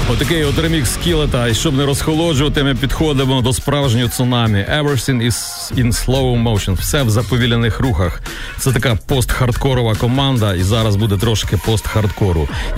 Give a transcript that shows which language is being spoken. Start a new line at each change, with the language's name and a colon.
Ukrainian: Окей, от ремік скілета, і щоб не розхолоджувати, ми підходимо до справжнього цунамі.
English: Everything is in slow motion.
Ukrainian: Все в заповільнених рухах. Це така пост-хардкорова команда, і зараз буде трошки пост-хардкору.